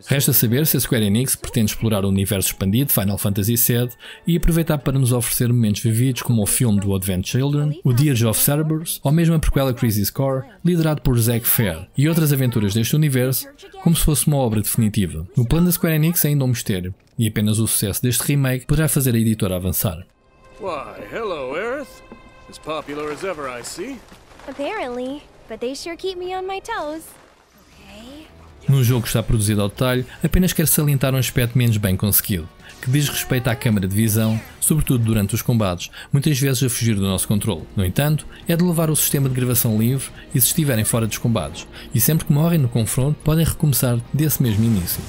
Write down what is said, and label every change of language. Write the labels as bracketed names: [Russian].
[Portuguese] Resta saber se a Square Enix pretende explorar o universo expandido de Final Fantasy VII e aproveitar para nos oferecer momentos vividos como o filme do Advent Children, o Dear of Cerberus ou mesmo a prequel a Crisis Core, liderado por Zack Fair, e outras aventuras deste universo como se fosse uma obra definitiva. O plano da Square Enix é ainda um mistério, e apenas o sucesso deste remake poderá fazer a editora avançar. [English] Why, hello, Aerith. As popular as ever, I see. Apparently, but they sure keep me on my toes. [Portuguese] No jogo que está produzido ao detalhe, apenas quero salientar um aspecto menos bem conseguido, que diz respeito à câmara de visão, sobretudo durante os combates, muitas vezes a fugir do nosso controle. No entanto, é de levar o sistema de gravação livre e se estiverem fora dos combates, e sempre que morrem no confronto, podem recomeçar desse mesmo início.